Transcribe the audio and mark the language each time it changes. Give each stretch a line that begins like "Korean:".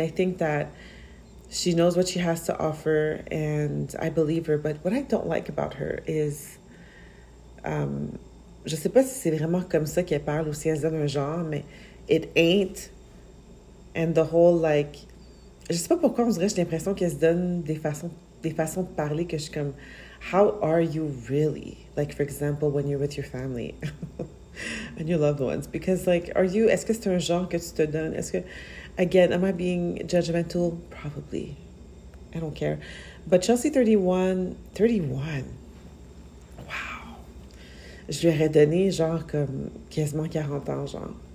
English: I think that she knows what she has to offer and I believe her. But what I don't like about her is...
French: je sais pas si c'est vraiment comme ça qu'elle parle ou si elle se donne un genre, mais
English: it ain't. And the whole, like...
French: Je sais pas pourquoi, on dirait, j'ai l'impression qu'elle se donne des façons de parler que je suis comme...
English: How are you really? Like, for example, when you're with your family and your loved ones. Because, like, are you...
French: Est-ce que c'est un genre que tu te donnes? Est-ce que...
English: Again, am I being judgmental? Probably. I don't care. But Chelsea 31...
French: Je lui aurais donné genre comme quasiment 40 ans, genre.